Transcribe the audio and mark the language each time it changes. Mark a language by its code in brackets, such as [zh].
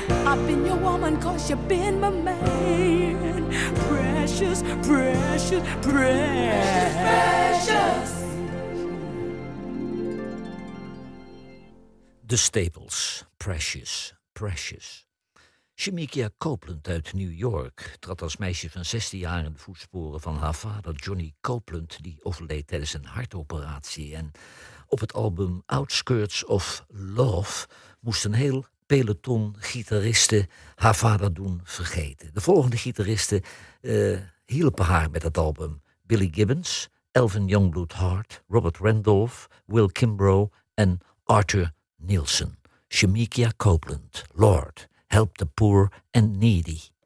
[en] I've been your woman 'cause you've been my man. Precious, precious, precious, precious. The Staples, Precious, Precious. [nl] Shamikia Copeland uit New York trad als meisje van 16 jaar in de voetsporen van haar vader Johnny Copeland, die overleed tijdens een hartoperatie. En op het album Outskirts of Love moest een heel peloton gitaristen haar vader doen vergeten. De volgende gitaristen hielpen haar met het album: Billy Gibbons, Elvin Youngblood Hart, Robert Randolph, Will Kimbrough en Arthur Nielsen. [en] Shamikia Copeland, Lord, help the poor and needy.